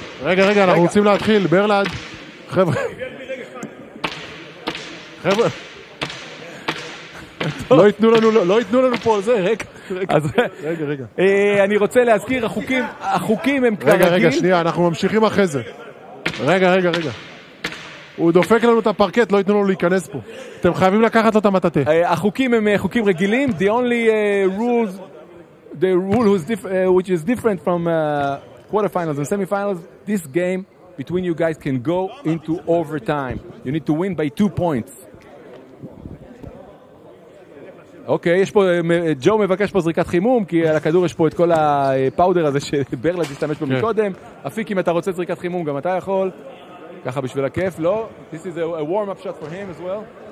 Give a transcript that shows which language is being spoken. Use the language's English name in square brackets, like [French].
[Hebrew] רגע, רגע, אנחנו רוצים להתחיל. ברלד, לא ייתנו לנו פה על זה, רגע. רגע, רגע. אני רוצה להזכיר, החוקים הם כרגיל. רגע, רגע, שנייה, אנחנו ממשיכים אחרי זה. רגע, רגע, רגע. הוא דופק לנו את הפרקט, לא ייתנו לנו להיכנס פה. אתם חייבים לקחת לו את המטטה. החוקים הם חוקים רגילים. [English] The only rules, the rule which is different from quarterfinals and semifinals, this game between you guys can go into overtime. You need to win by 2 points. [Hebrew] אוקיי, יש פה, ג'ו מבקש פה זריקת חימום, כי על הכדור יש פה את כל הפאודר הזה שברלד השתמש בו מקודם. אפיק, אם אתה רוצה זריקת חימום, גם אתה יכול. ככה בשביל הכיף, לא? [English] This is a warm-up shot for him as well.